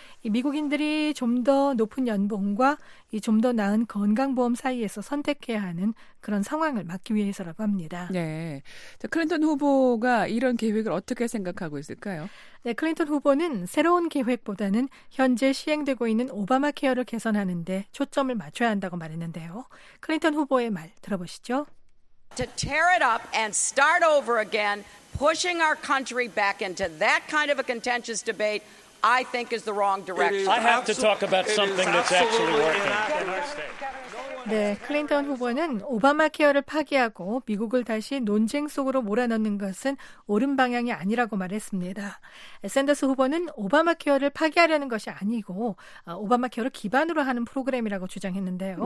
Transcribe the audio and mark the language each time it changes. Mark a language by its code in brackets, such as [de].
[ko] 이 미국인들이 좀 더 높은 연봉과 이 좀 더 나은 건강보험 사이에서 선택해야 하는 그런 상황을 막기 위해서라고 합니다. 네. 자, 클린턴 후보가 이런 계획을 어떻게 생각하고 있을까요? 네, 클린턴 후보는 새로운 계획보다는 현재 시행되고 있는 오바마 케어를 개선하는 데 초점을 맞춰야 한다고 말했는데요. 클린턴 후보의 말 들어보시죠. [en] To tear it up and start over again, pushing our country back into that kind of a contentious debate, I think is the wrong direction. I have to talk about something that's actually working. [ko] 네, 클린턴 후보는 오바마 케어를 파기하고 미국을 다시 논쟁 속으로 몰아넣는 것은 옳은 방향이 아니라고 말했습니다. 샌더스 후보는 오바마 케어를 파기하려는 것이 아니고 오바마 케어를 기반으로 하는 프로그램이라고 주장했는데요.